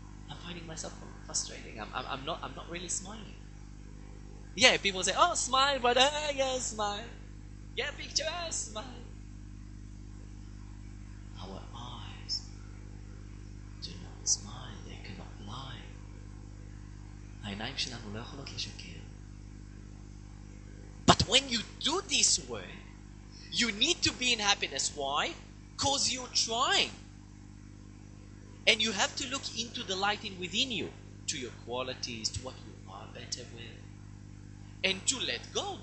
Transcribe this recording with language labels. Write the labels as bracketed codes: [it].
[en] I'm finding myself frustrating. I'm not really smiling. Yeah, people say, oh, smile, brother, yeah, smile. Yeah, picture, smile. Our eyes do not smile, they cannot lie. [he] העיניים שלנו לא יכולות לשקר. [en] But when you do this way, you need to be in happiness. Why? Because you're trying. And you have to look into the light in within you, to your qualities, to what you are better with, and to let go.